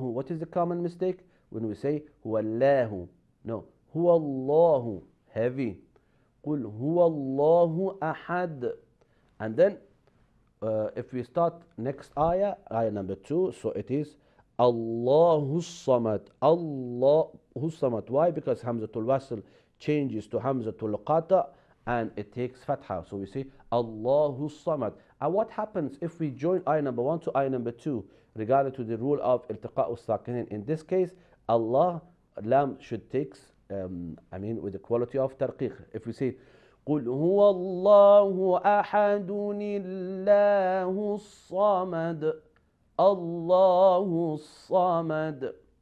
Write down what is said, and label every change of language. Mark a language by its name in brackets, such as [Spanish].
[English] What is the common mistake? When we say, [Arabic] هُوَ اللَّهُ. [English] No. [Arabic] هو الله [English] heavy. [Arabic] قل هو الله أحد. [English] And then if we start next ayah, ayah number two, so it is [Arabic] الله الصمد. الله الصمد. [English] Why? Because [Arabic] همزة الوصل [English] changes to [Arabic] همزة القطع [English] and it takes فتحة. So we say [Arabic] الله الصمد. [English] And what happens if we join ayah number one to ayah number two regarding to the rule of [Arabic] التقاء الساكنين? [English] In this case, الله لام should takes with the quality of tarqiq. If we say [Arabic] قُلْ هُوَ اللَّهُ أَحَدُنِ اللَّهُ الصَّمَدُ اللَّهُ الصَّمَدُ.